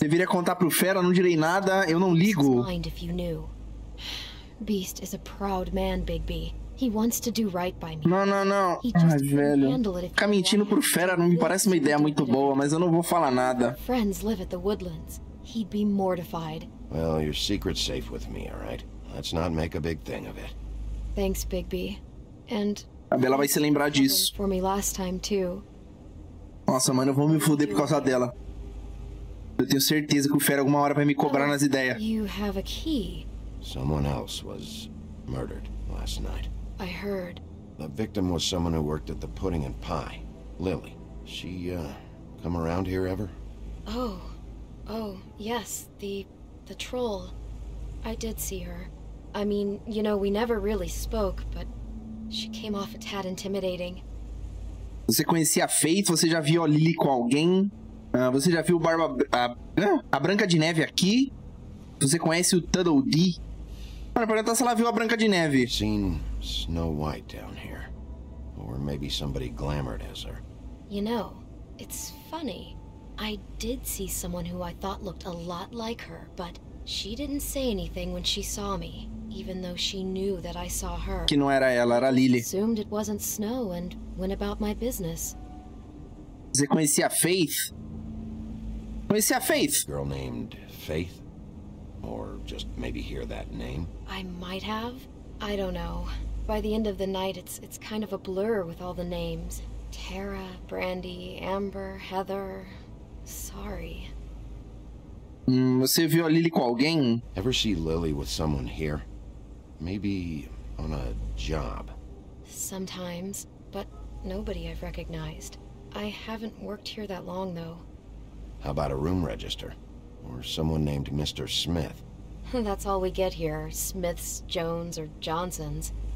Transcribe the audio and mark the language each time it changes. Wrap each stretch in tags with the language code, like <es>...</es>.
<pt>Deveria contar pro Fera, não direi nada, eu não ligo.</pt> <en>Beast is a proud man, Bigby. He wants to do right by me.</en> <pt>Não, não, não. Ai, velho. Ficar mentindo pro Fera não me parece uma ideia muito boa, mas eu não vou falar nada.</pt> <en>Friends live at the Woodlands. He'd be mortified. Well, your secret's safe with me, all right? Let's not make a big thing of it. Thanks, Bigby. And</en> <pt>a Bela vai se lembrar disso.</pt> <en>For me last time too.</en> <pt>Nossa, mano, eu vou me fuder por causa dela. Eu tenho certeza que o Fera alguma hora vai me cobrar nas ideias.</pt> <en>You have a key. Someone else was murdered last night. I heard. The victim was someone who worked at the Pudding and Pie. Lily. She, come around here ever? Oh. Oh, yes. The troll. I did see her. I mean, you know, we never really spoke, but she came off a tad intimidating.</en> <pt>Você conhecia a Faith? Você já viu a Lily com alguém? Você já viu Barba... a Branca de Neve aqui? Você conhece o Tuddle Dee? Mano, pergunta se ela viu a Branca de Neve.</pt> <en>Seen Snow White down here. Or maybe somebody glamored as her. You know, it's funny. I did see someone who I thought looked a lot like her, but she didn't say anything when she saw me, even though she knew that I saw her.</en> <pt>Que não era ela, era a Lily.</pt> <en>Assumed it wasn't Snow and went about my business.</en> <pt>Você conhecia a Faith? Conhecia a Faith?</pt> <en>A girl named Faith? Or just maybe hear that name? I might have. I don't know. By the end of the night, it's kind of a blur with all the names. Tara, Brandy, Amber, Heather... Sorry.</en> <pt>Você viu a Lily com alguém?</pt> <en>Ever see Lily with someone here? Maybe on a job? Sometimes, but nobody I've recognized. I haven't worked here that long, though. How about a room register? Or someone named Mr. Smith. That's all we get here. Smiths, Jones, or Johnsons.</en>